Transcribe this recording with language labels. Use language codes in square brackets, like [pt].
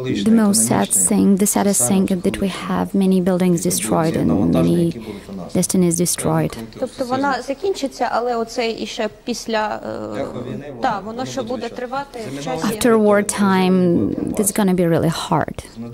[en] The most sad thing, the saddest thing is that we have many buildings destroyed and many destinies destroyed. [uk] Тобто вона закінчиться, але оце і ще після воно ще буде тривати. [en] After war time, this is gonna be really hard.